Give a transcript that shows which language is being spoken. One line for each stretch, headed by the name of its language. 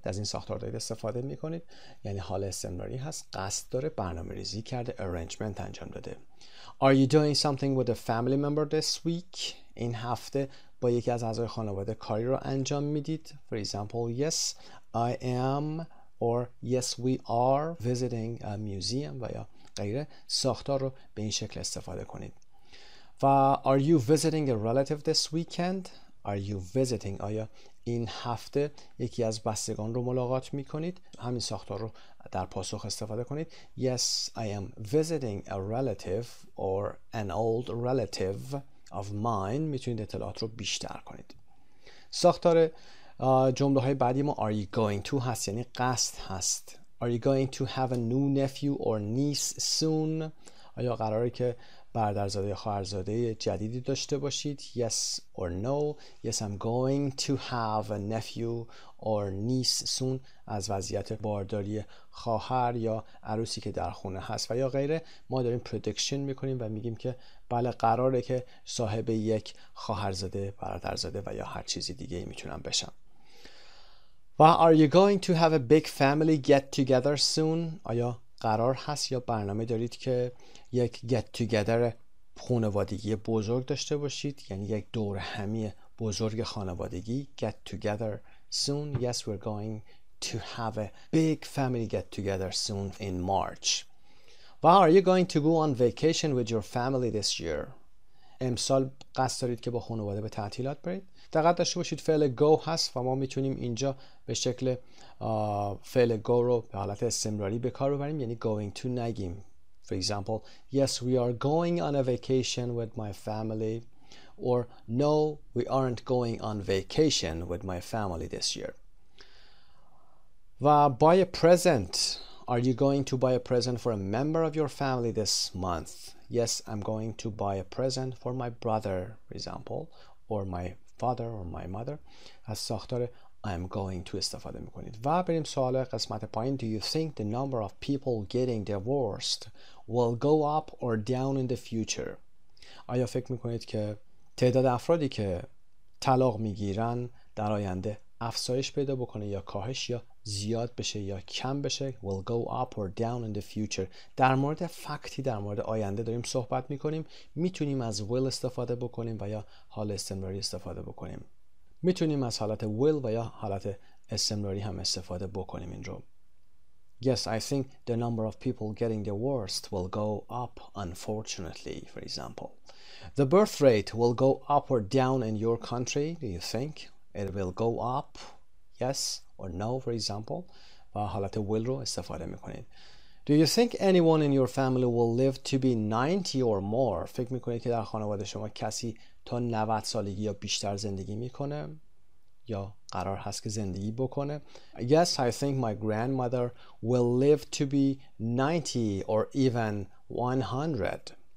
Persian: از این ساختار دارید استفاده میکنید. یعنی حال استمراری هست. قصد داره، برنامه ریزی کرده، arrangement انجام داده.
English: Are you doing something with a family member this week?
Persian: این هفته با یکی از اعضای خانواده کاری رو انجام میدید.
English: For example, yes, I am or yes, we are visiting a museum
Persian: و یا غیر ساختار رو به این شکل استفاده کنید. و
English: are you visiting a relative this weekend? Are you visiting?
Persian: آیا این هفته یکی از بستگان رو ملاقات می کنید؟ همین ساختار رو در پاسخ استفاده کنید.
English: Yes, I am visiting a relative or an old relative of mine.
Persian: می توانید اطلاعات رو بیشتر کنید. ساختار جمله های بعدی ما are you going to هست، یعنی قصد هست.
English: Are you going to have a new nephew or niece soon?
Persian: آیا قراره که برادرزاده یا خواهرزاده جدیدی داشته باشید؟
English: Yes or no. Yes, I'm going to have a nephew or niece soon.
Persian: از وضعیت بارداری خواهر یا عروسی که در خونه هست و یا غیره ما داریم prediction میکنیم و میگیم که بله قراره که صاحب یک خواهرزاده، برادرزاده و یا هر چیزی دیگه میتونم بشم. و
English: are you going to have a big family get together soon?
Persian: آیا قرار هست یا برنامه دارید که یک get together خانوادگی بزرگ داشته باشید، یعنی یک دور همی بزرگ خانوادگی؟
English: get together soon. Yes, we're going to have a big family get together soon in March.
Persian: و
English: are you going to go on vacation with your family this year?
Persian: امسال قصد دارید که با خانواده به تعطیلات برید؟ دقت داشته باشید فعل go هست و ما میتونیم اینجا به شکل فعل go رو به حالت استمراری به کار ببریم، یعنی going to نگیم.
English: For example, yes, we are going on a vacation with my family. Or no, we aren't going on vacation with my family this year.
Persian: و
English: buy a present. Are you going to buy a present for a member of your family this month? Yes, I'm going to buy a present for my brother, for example, or my father or my mother.
Persian: از ساختار I'm going to استفاده میکنید. و بریم سوال قسمت پایین.
English: Do you think the number of people getting divorced will go up or down in the future?
Persian: آیا فکر میکنید که تعداد افرادی که طلاق میگیرن در آینده افزایش پیدا بکنه یا کاهش یا زیاد بشه یا کم بشه؟
English: will go up or down in the future.
Persian: در مورد فکتی، در مورد آینده داریم صحبت میکنیم. میتونیم از will استفاده بکنیم و یا حال استمراری استفاده بکنیم. میتونیم از حالت will و یا حالت استمراری هم استفاده بکنیم این رو.
English: Yes, I think the number of people getting divorced will go up, unfortunately, for example. The birth rate will go up or down in your country, do you think? It will go up, yes or no, for example.
Persian: و حالت will رو استفاده میکنید.
English: Do you think anyone in your family will live to be 90 or more?
Persian: فکر میکنید که در خانواده شما کسی تا 90 سالگی یا بیشتر زندگی میکنه یا قرار هست که زندگی بکنه؟
English: Yes, I think my grandmother will live to be 90 or even 100.